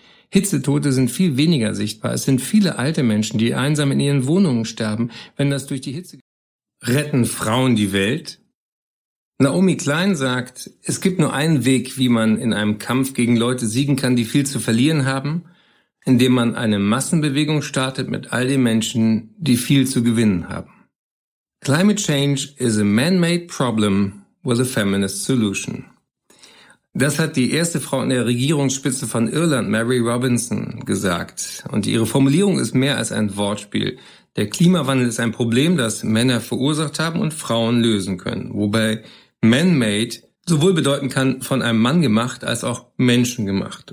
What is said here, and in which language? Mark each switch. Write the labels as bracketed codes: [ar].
[de] Hitzetote sind viel weniger sichtbar. Es sind viele alte Menschen, die einsam in ihren Wohnungen sterben, wenn das durch die Hitze... Retten Frauen die Welt? Naomi Klein sagt, es gibt nur einen Weg, wie man in einem Kampf gegen Leute siegen kann, die viel zu verlieren haben, indem man eine Massenbewegung startet mit all den Menschen, die viel zu gewinnen haben. [en] Climate change is a man-made problem with a feminist solution. [de] Das hat die erste Frau in der Regierungsspitze von Irland, Mary Robinson, gesagt. Und ihre Formulierung ist mehr als ein Wortspiel. Der Klimawandel ist ein Problem, das Männer verursacht haben und Frauen lösen können. Wobei man-made sowohl bedeuten kann, von einem Mann gemacht, als auch Menschen gemacht.